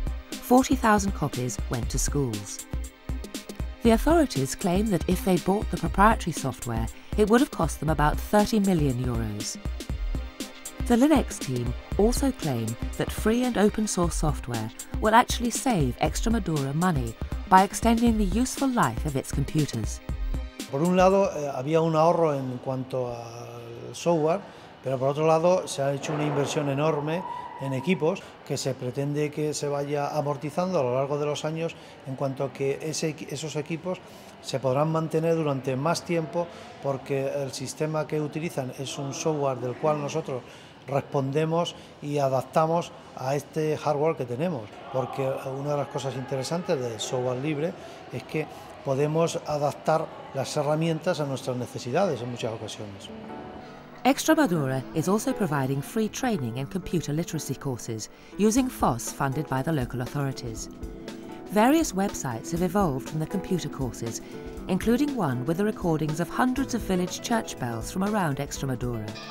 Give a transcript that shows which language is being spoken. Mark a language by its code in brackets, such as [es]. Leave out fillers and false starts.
[en] 40,000 copies went to schools. The authorities claim that if they bought the proprietary software, it would have cost them about €30 million. The Linux team also claim that free and open source software will actually save Extremadura money by extending the useful life of its computers. [es] Por un lado, había un ahorro en cuanto al software, pero por otro lado, se ha hecho una inversión enorme en equipos que se pretende que se vaya amortizando a lo largo de los años en cuanto a que esos equipos se podrán mantener durante más tiempo porque el sistema que utilizan es un software del cual nosotros respondemos y adaptamos a este hardware que tenemos. Porque una de las cosas interesantes del software libre es que podemos adaptar las herramientas a nuestras necesidades en muchas ocasiones. [en] Extremadura is also providing free training and computer literacy courses using FOSS funded by the local authorities. Various websites have evolved from the computer courses, including one with the recordings of hundreds of village church bells from around Extremadura.